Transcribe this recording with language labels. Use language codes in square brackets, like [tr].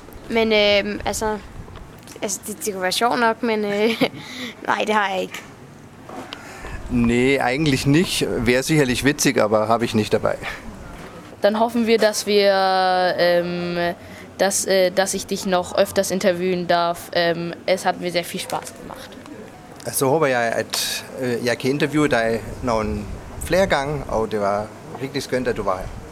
[da] Men altså det kunne være sjovt nok, men [de] nein, [da] det har jeg ikke. [de] Nee, eigentlich nicht. Wäre sicherlich witzig, aber habe ich nicht dabei. Dann hoffen wir, dass wir, dass ich dich noch öfters interviewen darf. Es hat mir sehr viel Spaß gemacht. Also hoffe ja, [da] at jeg kan interviewe dig nogle flere gange, og det var rigtig skønt, at du var her.